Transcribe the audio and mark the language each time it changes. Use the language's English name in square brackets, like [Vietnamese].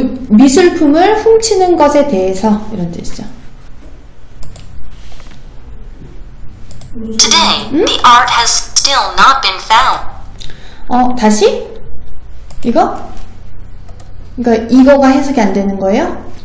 [Korean] 미술품을 훔치는 것에 대해서 이런 뜻이죠. [English] Today, the art has still not been found. [Korean] 다시? 이거? 그러니까 이거가 해석이 안 되는 거예요?